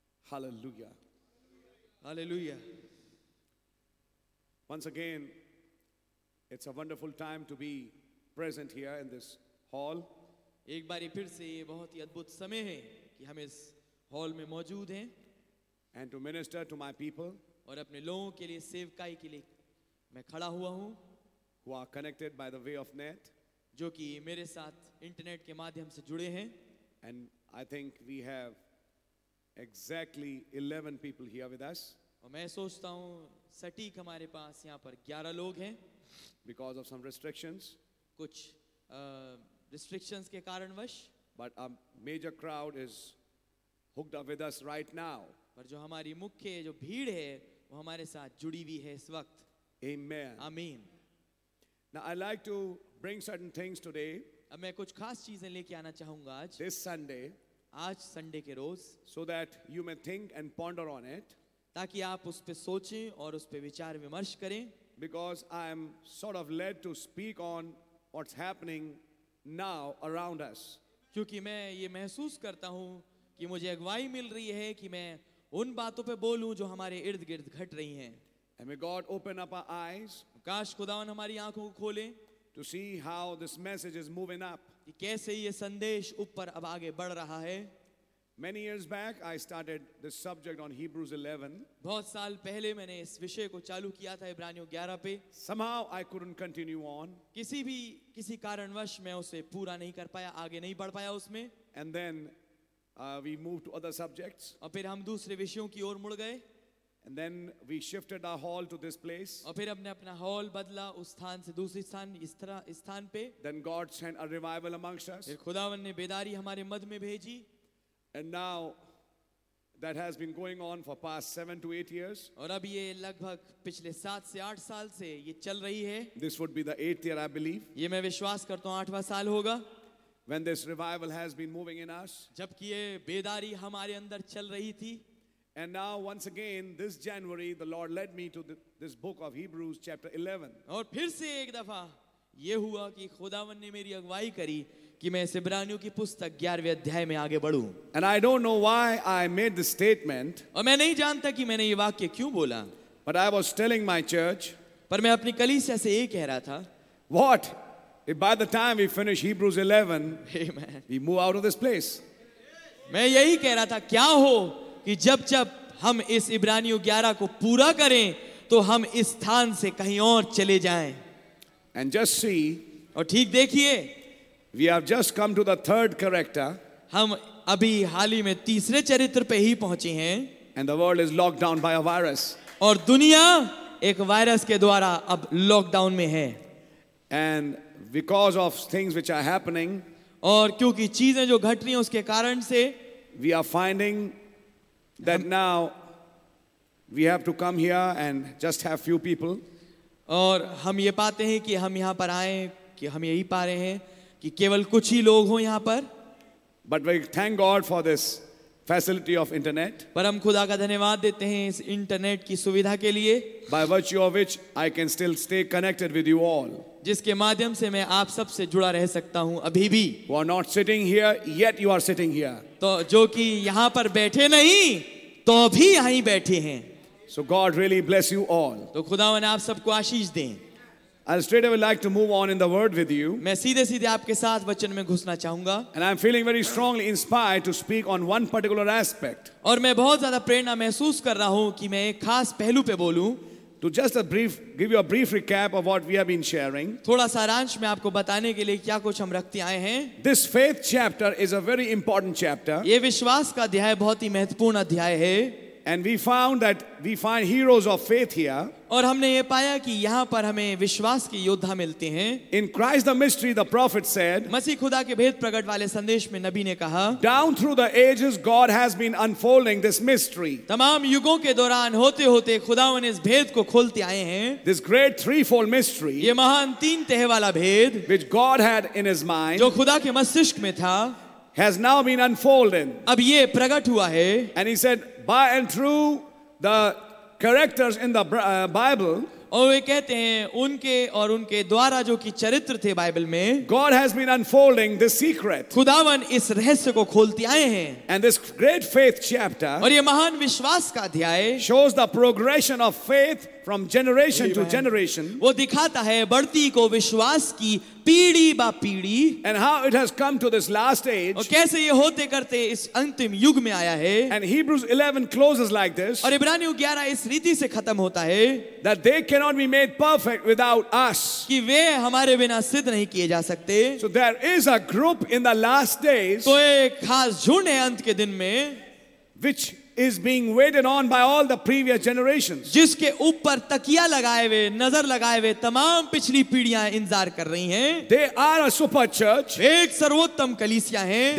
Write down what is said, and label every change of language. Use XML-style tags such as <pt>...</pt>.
<en>Hallelujah. Hallelujah. Once again, it's a wonderful time to be present here in this hall.</en> <hi>एक बार फिर से ये बहुत ही अद्भुत समय है कि हम इस हॉल में मौजूद हैं.</hi> <en>And to minister to my people.</en> <hi>और अपने लोगों के लिए सेवकाई के लिए मैं खड़ा हुआ हूँ.</hi> <en>Who are connected by the way of net.</en> <hi>जो कि मेरे साथ इंटरनेट के माध्यम से जुड़े हैं.</hi> <en>And I think we have exactly 11 people here with us.</en> <hi>और मैं सोचता हूँ सटीक हमारे पास यहाँ पर 11 लोग हैं.</hi> <en>Because of some restrictions.</en> <hi>कुछ restrictions के कारणवश.</hi> <en>But a major crowd is hooked up with us right now.</en> <hi>पर जो हमारी मुख्य जो भीड़ है वो हमारे साथ जुड़ी हुई है इस वक्त.</hi> <en>Amen. Amen. Now I like to bring certain things today.</en> <hi>अब मैं कुछ खास चीजें लेके आना चाहूँगा आज.</hi> <en>This Sunday.</en> <hi>आज संडे के रोज.</hi> <en>So that you may think and ponder on it.</en> <hi>ताकि आप उस पे सोचें और उस पे विचार विमर्श करें.</hi> <en>Because I am sort of led to speak on what's happening now around us.</en> <hi>क्योंकि मैं ये महसूस करता हूँ कि मुझे अगुवाई मिल रही है कि मैं उन बातों पे बोलूं जो हमारे इर्द गिर्द घट रही हैं.</hi> <en>And may God open up our eyes.</en> <hi>काश खुदावन हमारी आंखों को खोले.</hi> <en>To see how this message is moving up.</en> <hi>कि कैसे ये संदेश ऊपर अब आगे बढ़ रहा है.</hi> <en>Many years back, I started this subject on Hebrews 11.</en> <hi>बहुत साल पहले मैंने इस विषय को चालू किया था इब्रानियों 11 पे.</hi> <en>Somehow I couldn't continue on.</en> <hi>किसी कारणवश मैं उसे पूरा नहीं कर पाया, आगे नहीं बढ़ पाया उसमें.</hi> <en>And then we moved to other subjects.</en> <hi>और फिर हम दूसरे विषयों की ओर मुड़ गए.</hi> <en>And then we shifted our hall to this place.</en> <hi>और फिर हमने अपना हॉल बदला उस स्थान से दूसरे स्थान इस स्थान पे.</hi> <en>Then God sent a revival amongst us.</en> <hi>फिर खुदावन ने बेदारी हमारे मध्य में भेजी.</hi> <en>And now that has been going on for past 7 to 8 years.</en> <hi>और अब ये लगभग पिछले 7 से 8 साल से ये चल रही है.</hi> <en>This would be the 8th year, I believe.</en> <hi>ये मैं विश्वास करता हूँ 8वां साल होगा.</hi> <en>When this revival has been moving in us.</en> <hi>जबकि ये बेदारी हमारे अंदर चल रही थी.</hi> <en>And now once again this January the Lord led me to this book of Hebrews chapter 11.</en> <hi>और फिर से एक दफा ये हुआ कि खुदावन ने मेरी अगुवाई करी कि मैं इब्रानियों की पुस्तक 11वें अध्याय में आगे बढूं.</hi> <en>And I don't know why I made the statement.</en> <hi>और मैं नहीं जानता कि मैंने ये वाक्य क्यों बोला.</hi> <en>But I was telling my church.</en> <hi>पर मैं अपनी कलीसिया से ये कह रहा था.</hi> <en>What? If by the time we finish Hebrews 11, Amen. We move out of this place.</en> <hi>मैं यही कह रहा था क्या हो कि जब जब हम इस इब्रानियों 11 को पूरा करें तो हम इस स्थान से कहीं और चले जाएं.</hi> <en>And just see.</en> <hi>और ठीक देखिए.</hi> <en>We have just come to the third character.</en> <hi>हम अभी हाल ही में तीसरे चरित्र पे ही पहुंचे हैं.</hi> <en>And the world is locked down by a virus.</en> <hi>और दुनिया एक वायरस के द्वारा अब लॉकडाउन में है.</hi> <en>And because of things which are happening.</en> <hi>और क्योंकि चीजें जो घट रही हैं उसके कारण से.</hi> <en>We are finding that now we have to come here and just have few people.</en> <hi>और हम ये पाते हैं कि हम यहाँ पर आए कि हम यही पा रहे हैं कि केवल कुछ ही लोग हों यहाँ पर.</hi> <en>But we thank God for this facility of internet.</en> <hi>पर हम खुदा का धन्यवाद देते हैं इस इंटरनेट की सुविधा के लिए.</hi> <en>By virtue of which I can still stay connected with you all.</en> <hi>जिसके माध्यम से मैं आप सब से जुड़ा रह सकता हूँ अभी भी.</hi> <en>Who are not sitting here yet you are sitting here.</en> <hi>तो जो कि यहाँ पर बैठे नहीं तो भी यहीं बैठे हैं.</hi> <en>So God really bless you all.</en> <hi>तो खुदावन आप सबको आशीष दें.</hi> <en>I straight away like to move on in the word with you.</en> <hi>मैं सीधे-सीधे आपके साथ वचन में घुसना चाहूंगा.</hi> <en>And I'm feeling very strongly inspired to speak on one particular aspect.</en> <hi>और मैं बहुत ज्यादा प्रेरणा महसूस कर रहा हूँ कि मैं एक खास पहलू पे बोलूं.</hi> <en>To just a brief, give you a brief recap of what we have been sharing.</en> <hi>थोड़ा सारांश में आपको बताने के लिए क्या कुछ हम रखते आए हैं.</hi> <en>This faith chapter is a very important chapter.</en> <hi>ये विश्वास का अध्याय बहुत ही महत्वपूर्ण अध्याय है.</hi> <en>And we found that we find heroes of faith here.</en> <hi>और हमने ये पाया कि यहाँ पर हमें विश्वास के योद्धा मिलते हैं.</hi> <en>In Christ the mystery, the prophet said.</en> <hi>मसीह खुदा के भेद प्रकट वाले संदेश में नबी ने कहा.</hi> <en>Down through the ages, God has been unfolding this mystery.</en> <hi>तमाम युगों के दौरान होते होते खुदावन इस भेद को खोलते आए हैं.</hi> <en>This great threefold mystery.</en> <hi>ये महान तीन तह वाला भेद.</hi> <en>Which God had in His mind.</en> <hi>जो खुदा के मस्तिष्क में था.</hi> <en>Has now been unfolding.</en> <hi>अब ये प्रकट हुआ है.</hi> <en>And He said, by and through the characters in the Bible.</en> <hi>और वे कहते हैं उनके और उनके द्वारा जो कि चरित्र थे बाइबल में.</hi> <en>God has been unfolding this secret.</en> <hi>खुदावन इस रहस्य को खोलते आए हैं.</hi> <en>And this great faith chapter.</en> <hi>और ये महान विश्वास का अध्याय.</hi> <en>Shows the progression of faith from generation to generation.</en> <hi>वो दिखाता है बढ़ती को विश्वास की पीढ़ी बा पीढ़ी.</hi> <en>And how it has come to this last age.</en> <hi>और कैसे ये होते करते इस अंतिम युग में आया है.</hi> <en>And Hebrews 11 closes like this.</en> <hi>और इब्रानियों 11 इस रीति से खत्म होता है.</hi> <en>That they cannot be made perfect without us.</en> <hi>कि वे हमारे बिना सिद्ध नहीं किए जा सकते.</hi> <en>So there is a group in the last days.</en> <hi>तो एक खास झुंड है अंत के दिन में.</hi> <en>Which is being waited on by all the previous generations.</en> <hi>जिसके ऊपर तकिया लगाए हुए नजर लगाए हुए तमाम पिछली पीढ़ियां इंतजार कर रही हैं.</hi> <en>They are a super church.</en> <hi>एक सर्वोत्तम कलीसिया हैं.</hi>